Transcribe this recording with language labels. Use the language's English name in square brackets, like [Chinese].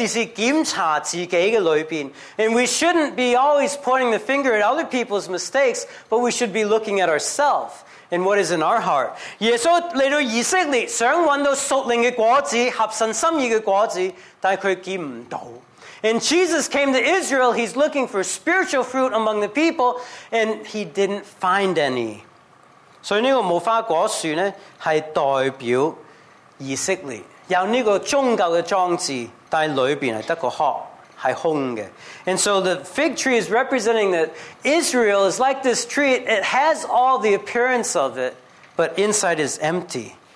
[Cantonese] 弟兄姊妹,我们是不应该指着别人的错,我们应该时时检查自己的里面. [English] And we shouldn't be always pointing the finger at other people's mistakes, but we should be looking at ourselves. And what is in our heart? [Cantonese] 耶稣来到以色列,想找到属灵的果子,合神心意的果子,但他见不到. [English] And Jesus came to Israel, he's looking for spiritual fruit among the people, and he didn't find any. [Cantonese] 所以这个无花果树呢,是代表以色列, 有这个宗教的装置,但里面是只有壳. [English] And so the fig tree is representing that Israel is like this tree. It has all the appearance of it, but inside is empty.